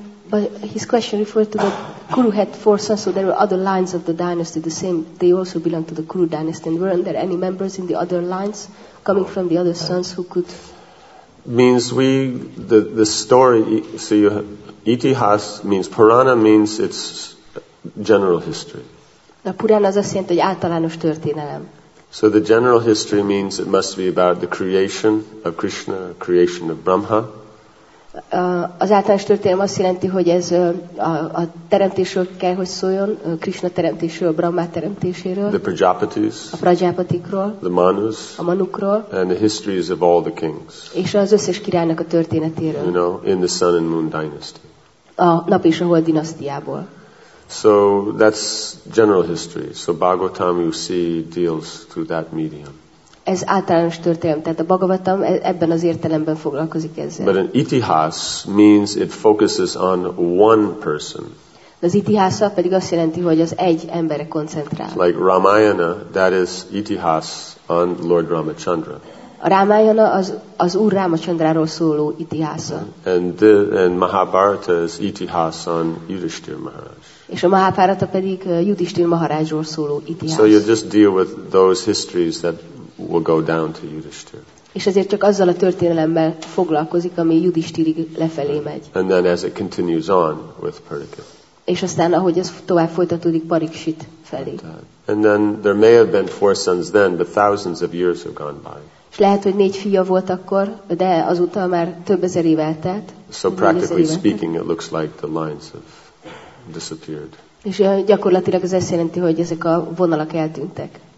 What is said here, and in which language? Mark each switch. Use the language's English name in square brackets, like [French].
[English] But his question referred to the Kuru had four sons, so there were other lines of the dynasty, the same, they also belong to the Kuru dynasty, and weren't there any members in the other lines coming from the other sons who could? Means we, the story, so you have, itihas means, Purana means it's general history. [Hungarian] A Purana az azt jelenti, hogy általános történelem. [English] So the general history means it must be about the creation of Krishna, creation of Brahma. [Hungarian] Az általános történelem azt jelenti, hogy ez a teremtésről kell, hogy szóljon, Krishna teremtésről, Brahma teremtéséről. [English] The Prajapatis. [Hungarian] A Prajapatikról. [English] The Manus. [Hungarian] A Manukról. [English] And the histories of all the kings. [Hungarian] És az összes királynak a történetéről. [English] You know, in the Sun and Moon dynasty. [Hungarian] A Nap és a Hold dinasztiából. [English] So that's general history. So Bhagavatam, you see, deals through that medium. [Hungarian] Ez általános történelem, tehát a Bhagavatam ebben az értelemben foglalkozik ezzel. [English] But an itihas means it focuses on one person. [Hungarian] Az itihasa pedig azt jelenti, hogy az egy emberre koncentrál. [English] Like Ramayana, that is itihas on Lord Ramachandra. [Hungarian] A Ramayana az Úr Ramachandráról szóló itihasa. [English] And Mahabharata is itihas on Yudhishthir Maharaj. [Hungarian] És a Mahabharata pedig Yudhishthir Maharajról szóló itihas. [English] So you just deal with those histories that will go down to Yudhishthir. [Hungarian] És ezért csak azzal a történelemmel foglalkozik, ami Yudhishthirig lefelé megy. [English] And then as it continues on with Parikshit. [Hungarian] És aztán ahogy ez tovább folytatódik Parikshit felé. [English] And then there may have been four sons then, but thousands of years have gone by. [Hungarian] És lehet, hogy négy fia volt akkor, de azóta már több ezer év eltelt. [English] So practically speaking, it looks like the lines have disappeared. [Hungarian] És gyakorlatilag ez azt jelenti, hogy ezek a vonalak eltűntek.